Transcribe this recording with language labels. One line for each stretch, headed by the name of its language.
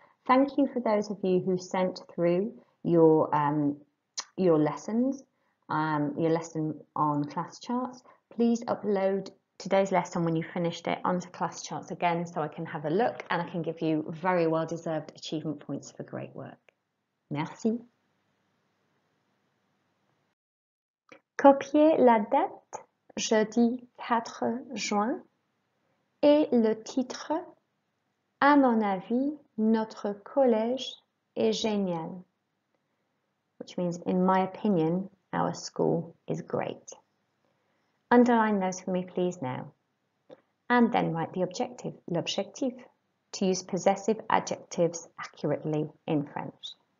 English: Thank you for those of you who sent through your lesson on class charts. Please upload today's lesson when you finished it onto class charts again so I can have a look and I can give you very well deserved achievement points for great work.
French: Merci. Copier la date jeudi 4 juin et le titre à mon avis. Notre collège est génial,
English: which means, in my opinion, our school is great. Underline those for me, please, now. And then write the objective, l'objectif, to use possessive adjectives accurately in French.